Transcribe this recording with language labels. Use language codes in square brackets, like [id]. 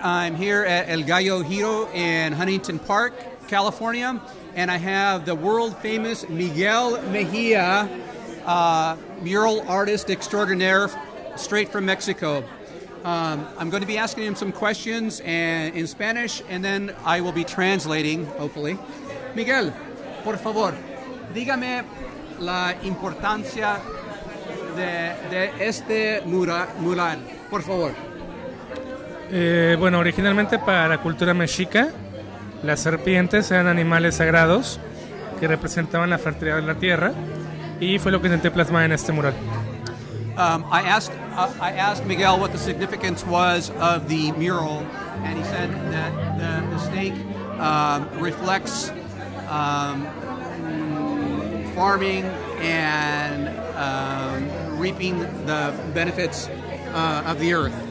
[en] I'm here at El Gallo Hero in Huntington Park, California, and I have the world famous Miguel Mejia, mural artist extraordinaire, straight from Mexico. I'm going to be asking him some questions in Spanish, and then I will be translating, hopefully. [es] Miguel, por favor, dígame la importancia de este mural, por favor. Bueno, originalmente para la cultura mexica, las serpientes eran animales sagrados que representaban la fertilidad de la tierra, y fue lo que intenté plasmar en este mural. [en] I asked Miguel what the significance was of the mural, and he said that the snake reflects farming and reaping the benefits of the earth.